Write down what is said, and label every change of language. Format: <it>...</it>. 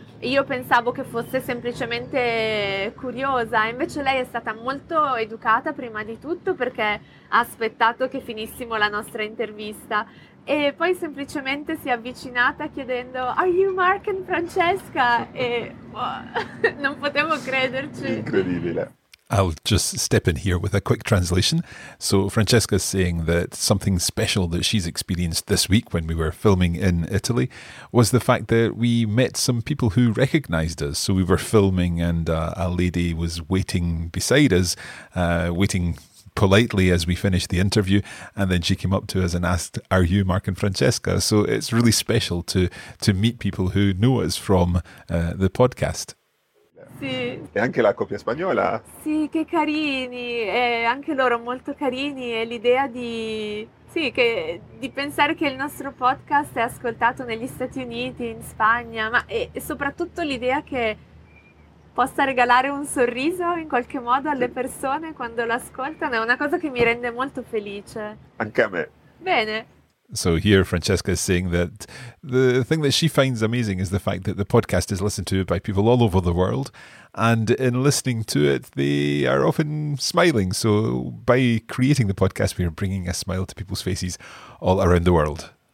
<it>Io pensavo che fosse semplicemente curiosa, invece lei è stata molto educata prima di tutto perché ha aspettato che finissimo la nostra intervista e poi semplicemente si è avvicinata chiedendo</it> <en>"Are you Mark and Francesca?"</en> <it>e non potevo crederci. Incredibile.</it> <en>I'll just step in here with a quick translation. So Francesca's saying that something special that she's experienced this week when we were filming in Italy was the fact that we met some people who recognised us. So we were filming and a lady was waiting beside us, waiting politely as we finished the interview. And then she came up to us and asked, "Are you Mark and Francesca?" So it's really special to meet people who know us from the podcast.</en> <it>Sì. E anche la coppia spagnola? Sì, che carini, anche loro molto carini e l'idea di pensare che il nostro podcast è ascoltato negli Stati Uniti, in Spagna, ma e soprattutto l'idea che possa regalare un sorriso in qualche modo alle persone quando l'ascoltano è una cosa che mi rende molto felice. Anche a me. Bene.</it> <en>So here Francesca is saying that the thing that she finds amazing is the fact that the podcast is listened to by people all over the world, and in listening to it, they are often smiling. So by creating the podcast, we are bringing a smile to people's faces all around the world.</en>